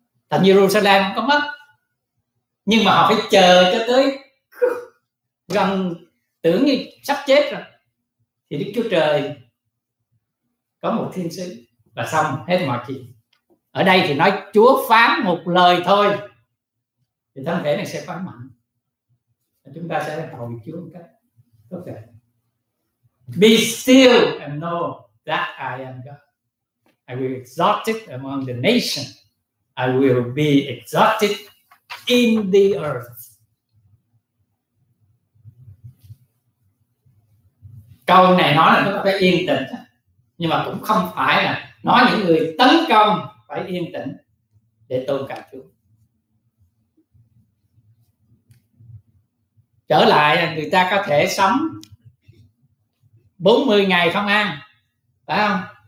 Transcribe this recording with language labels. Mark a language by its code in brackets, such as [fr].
[vi] Thành Jerusalem có mất nhưng mà họ phải chờ cho tới gần tưởng như sắp chết rồi, thì Đức Chúa Trời có một thiên sứ và xong hết mọi chuyện. Ở đây thì nói Chúa phán một lời thôi thì thân thể này sẽ phán mạnh, chúng ta sẽ cầu Chúa một cách tốt đẹp. [en] Be still and know that I am God. I will exalt it among the nation. I will be exalted in the earth. [vi] Câu này nói là chúng ta phải yên tĩnh, nhưng mà cũng không phải là nói những người tấn công phải yên tĩnh để tôn cao Chúa. Trở lại, người ta có thể sống 40 ngày không ăn, phải không?